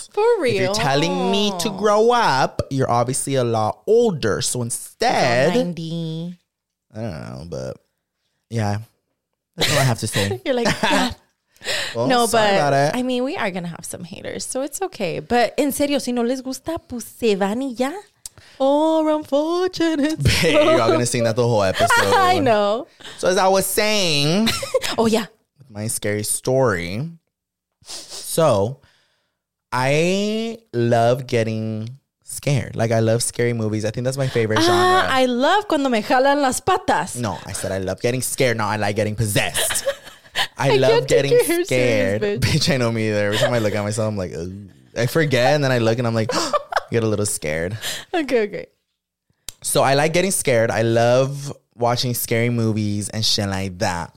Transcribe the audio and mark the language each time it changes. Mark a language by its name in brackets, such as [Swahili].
[English] For real. If you're telling me to grow up, you're obviously a lot older. So instead, 90. I don't know, but yeah, that's all I have to say. You're like, well, no, sorry but about it. I mean, we are gonna have some haters, so it's okay. But [Spanish] en serio, si no les gusta, pues se van y ya. [English] Or unfortunate. Babe, you're all gonna sing that the whole episode. I know. So as I was saying, oh yeah, with my scary story. So I love getting scared. Like I love scary movies. I think that's my favorite genre. I love [Spanish] cuando me jalan las patas. [English] No, I said I love getting scared. No, I like getting possessed. I love getting scared. Bitch, I know me either. Every time I look at myself, I'm like, ugh. I forget, and then I look and I'm like, get a little scared. Okay. So I like getting scared. I love watching scary movies and shit like that.